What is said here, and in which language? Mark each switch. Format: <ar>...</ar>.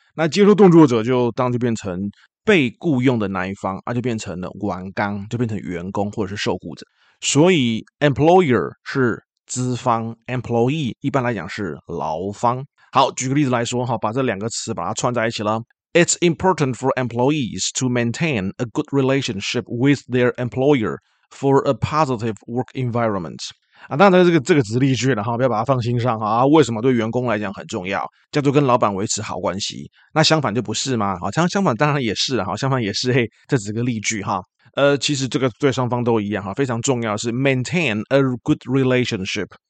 <zh>那接受动作者就当就变成被雇佣的那一方啊，就变成了员工，就变成员工或者是受雇者。所以 employer 是资方 ，employee 一般来讲是劳方。好，举个例子来说哈，把这两个词把它串在一起了。</zh> <en>It's important for employees to maintain a good relationship with their employer for a positive work environment。</en> <zh>啊，当然这个只是例句了哈，不要把它放心上哈。啊，为什么对员工来讲很重要？叫做跟老板维持好关系。那相反就不是吗？好，相反当然也是哈，相反也是嘿，这只是个例句哈。其实这个对双方都一样哈，非常重要是</zh> <en>maintain a good relationship。</en>